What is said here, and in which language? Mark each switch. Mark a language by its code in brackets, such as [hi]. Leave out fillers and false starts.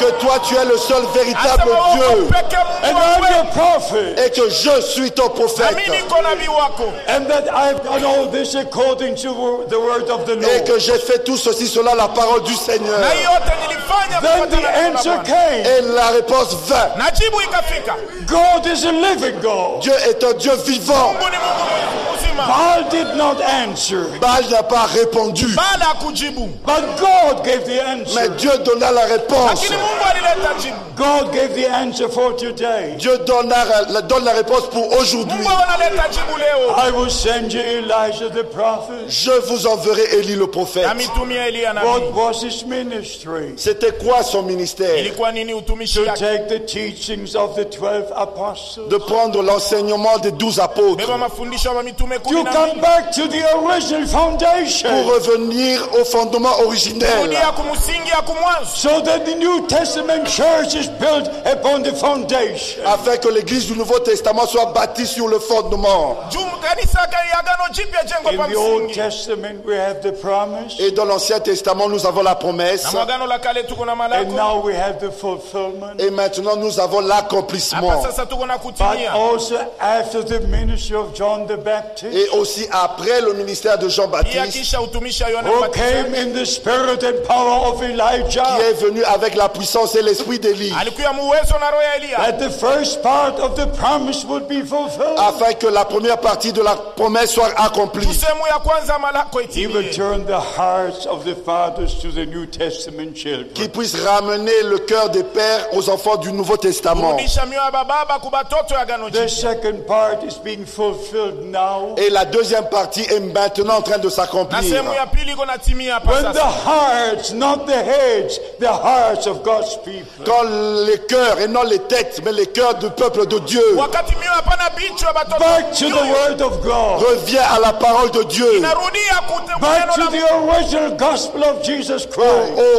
[fr] Que toi tu es le seul véritable Dieu. [en] And I'm your prophet. [fr] Et que je suis ton prophète. [en] And that I've done all this according to the word of the Lord. [fr] Que j'ai fait tout ceci selon la parole du Seigneur. [en] Then the answer came. [fr] Et la réponse vint. [en] God is a living God. [fr] Dieu est un Dieu vivant. [en] Baal did not answer. [fr] Baal n'a pas répondu. [en] But God gave the answer. [fr] Mais Dieu donna la réponse. [en] God gave the answer for today. [fr] Dieu donne la réponse pour aujourd'hui. [en] I will send you Elijah the prophet. [fr] Je vous enverrai Élie le prophète. [en] What was his ministry? [fr] C'était quoi son ministère? [en] To take the teachings of the 12 apostles. [fr] De prendre l'enseignement des 12 apôtres. [en] To come back to the original foundation. [fr] Pour revenir au fondement originel. [en] So that the New Testament church is built upon the foundation. [fr] Afin que l'église du Nouveau Testament soit bâtie sur le fondement. [en] In the Old Testament we have the promise. [fr] Et dans l'Ancien Testament nous avons la promesse. [en] And now we have the fulfillment. [fr] Et maintenant nous avons l'accomplissement. [en] But also after the ministry of John the Baptist. [fr] Et aussi après le ministère de Jean-Baptiste, qui est venu avec la puissance et l'esprit d'Élie, afin que la première partie de la promesse soit accomplie. Qui puisse ramener le cœur des pères aux enfants du Nouveau Testament. Et la deuxième partie est maintenant en train de s'accomplir. [en] When the hearts, not the heads, the hearts of God's people. [fr] Quand les cœurs et non les têtes, mais les cœurs du peuple de Dieu. [en] Back to the word of God. [fr] Revient à la parole de Dieu. [en] Back to the original gospel of Jesus Christ.